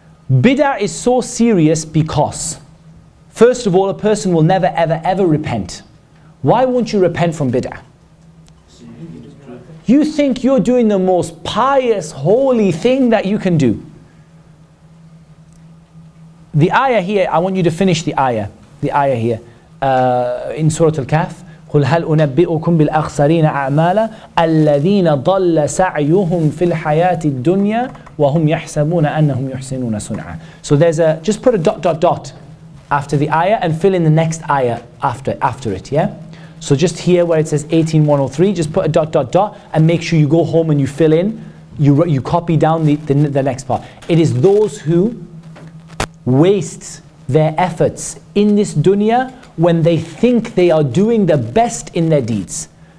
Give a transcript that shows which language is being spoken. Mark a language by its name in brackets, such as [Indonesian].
[English] Bid'ah is so serious because, first of all, a person will never, ever, ever repent. Why won't you repent from bid'ah? You think you're doing the most pious, holy thing that you can do. The ayah here, I want you to finish the ayah here. In Surah Al-Kahf, [Arabic] قُلْ هَلْ أُنَبِّئُكُمْ بِالْأَخْسَرِينَ أَعْمَالًا أَلَّذِينَ ضَلَّ سَعْيُهُمْ فِي الْحَيَاةِ الدُّنْيَا وَهُمْ يَحْسَبُونَ أَنَّهُمْ يُحْسِنُونَ سُنْعًا. [English] So there's a, just put a dot, dot, dot after the ayah and fill in the next ayah after it, yeah? So just here where it says 18103, just put a dot, dot, dot and make sure you go home and you fill in, you copy down the next part. It is those who waste their efforts in this dunya when they think they are doing the best in their deeds.